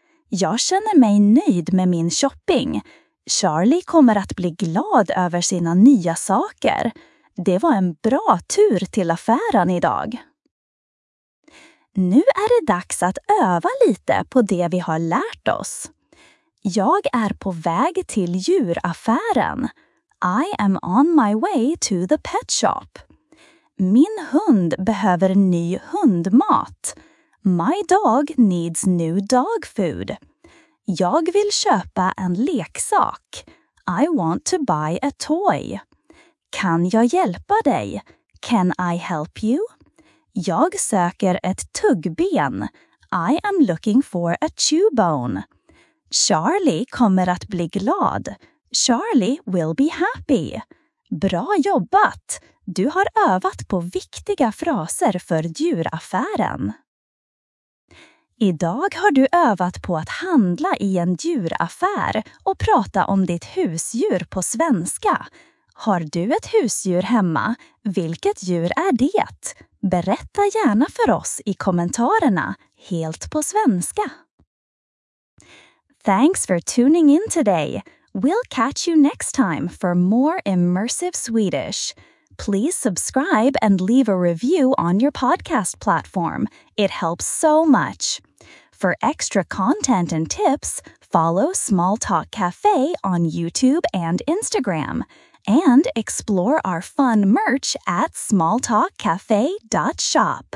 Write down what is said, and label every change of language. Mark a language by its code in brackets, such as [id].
[sv] Jag känner mig nöjd med min shopping. Charlie kommer att bli glad över sina nya saker. Det var en bra tur till affären idag. Nu är det dags att öva lite på det vi har lärt oss. Jag är på väg till djuraffären. [en] I am on my way to the pet shop. [sv] Min hund behöver ny hundmat. [en] My dog needs new dog food. [sv] Jag vill köpa en leksak. [en] I want to buy a toy. [sv] Kan jag hjälpa dig? [en] Can I help you? [sv] Jag söker ett tuggben. [en] I am looking for a chew bone. [sv] Charlie kommer att bli glad. [en] Charlie will be happy. [sv] Bra jobbat! Du har övat på viktiga fraser för djuraffären. Idag har du övat på att handla i en djuraffär och prata om ditt husdjur på svenska. Har du ett husdjur hemma? Vilket djur är det? Berätta gärna för oss i kommentarerna, helt på svenska. [en] Thanks for tuning in today. We'll catch you next time for more immersive Swedish. Please subscribe and leave a review on your podcast platform. It helps so much. For extra content and tips, follow Small Talk Cafe on YouTube and Instagram, and explore our fun merch at smalltalkcafe.shop.